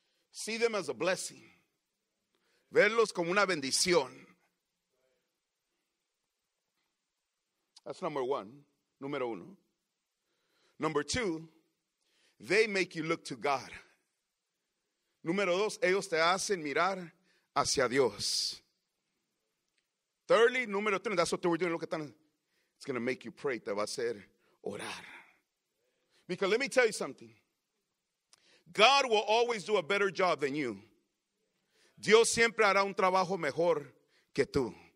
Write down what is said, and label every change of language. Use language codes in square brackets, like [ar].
[en] See them as a blessing. [es] Verlos como una bendición. [en] That's number one. [es] Número uno. [en] Number two, they make you look to God. [es] Número dos, ellos te hacen mirar hacia Dios. [en] Thirdly, [es] número tres, [en] that's what we're doing. Look at that. It's going to make you pray. [es] Te va a hacer orar. [en] Because let me tell you something. God will always do a better job than you. [es] Dios siempre hará un trabajo mejor que tú.